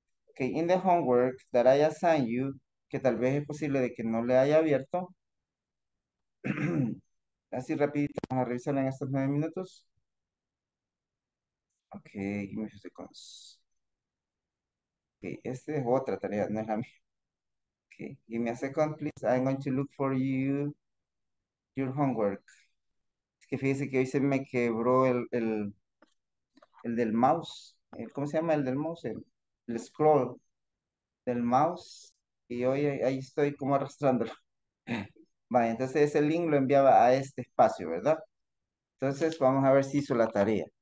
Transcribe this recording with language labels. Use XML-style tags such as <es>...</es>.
<en>Okay, in the homework that I assigned you,</en> <es>que tal vez es posible de que no le haya abierto. Así rapidito, vamos a revisarla en estos 9 minutos.</es> <en>Okay, give me a second.</en> <es>Okay, esta es otra tarea, no es la mía.</es> <en>Okay, give me a second, please. I'm going to look for you your homework.</en> <es>Es que fíjese que hoy se me quebró el del mouse. ¿Cómo se llama el del mouse? El scroll del mouse. Y hoy ahí estoy como arrastrándolo. Vale, entonces ese link lo enviaba a este espacio, ¿verdad? Entonces vamos a ver si hizo la tarea.</es>